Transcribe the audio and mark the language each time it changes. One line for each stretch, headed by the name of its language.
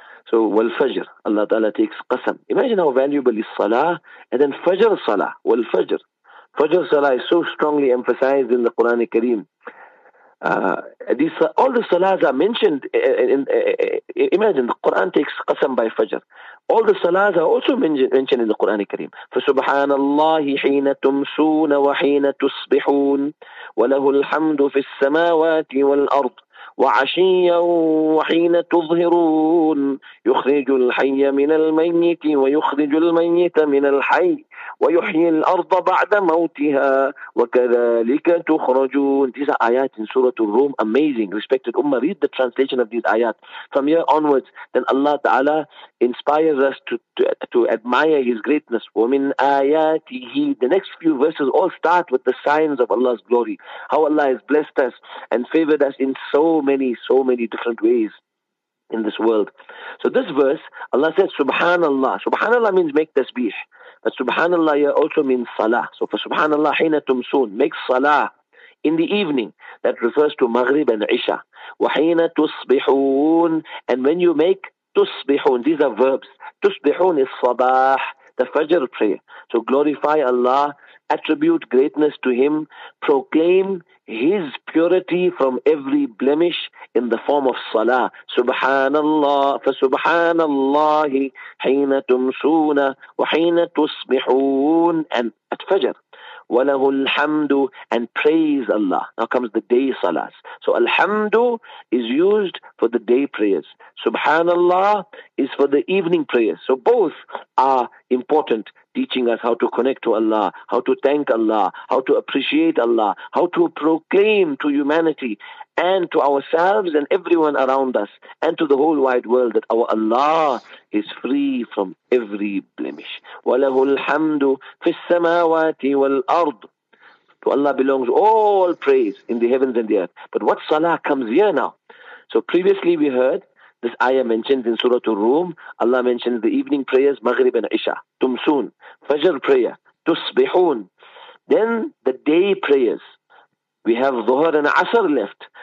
English: So, والفجر, Allah Ta'ala takes قسم. Imagine how valuable is Salah, and then Fajr Salah, والفجر. Fajr Salah is so strongly emphasized in the Quran Kareem. All the Salahs are mentioned. Imagine the Quran takes قسم by Fajr. All the Salahs are also mentioned in the Quran Kareem.
Arabic: فسبحانالله حين تمسون وحين تصبحون وله الحمد في السماوات والأرض وعشيا وحين تظهرون يخرج الحي من الميت ويخرج الميت من الحي ويحيي الأرض بعد موتها وكذلك تخرجون.
English: These are ayat in Surah Al-Rum. Amazing. Respected Ummah, read the translation of these ayat. From here onwards, then Allah Ta'ala inspires us to admire His greatness.
Arabic: وَمِنْ آيَاتِهِ.
English: The next few verses all start with the signs of Allah's glory. How Allah has blessed us and favored us in so many different ways in this world. So this verse, Allah says, Subhanallah. Subhanallah means make tasbih. But Subhanallah also means salah. So for Subhanallah,
Arabic: حين تمسون,
English: make salah in the evening. That refers to Maghrib and Isha.
Arabic: وحين تصبحون,
English: and when you make تصبحون, these are verbs. تصبحون is صباح, the Fajr prayer. So glorify Allah, attribute greatness to Him, proclaim His purity from every blemish in the form of salah.
Arabic: Subhanallah, فسبحانالله حين تمسون وحين تصبحون,
English: and at Fajr.
Arabic: وله الحمد,
English: and praise Allah. Now comes the day salahs. So الحمد is used for the day prayers. Subhanallah is for the evening prayers. So both are important, teaching us how to connect to Allah, how to thank Allah, how to appreciate Allah, how to proclaim to humanity and to ourselves and everyone around us and to the whole wide world that our Allah is free from every blemish.
Arabic: وله الحمد في السماوات والأرض.
English: To Allah belongs all praise in the heavens and the earth. But what salah comes here now? So previously we heard this ayah mentioned in Surah Al-Rum. Allah mentions the evening prayers, Maghrib and Isha, Tumsoon, Fajr prayer, Tusbihun. Then the day prayers. We have Dhuhr and Asr left.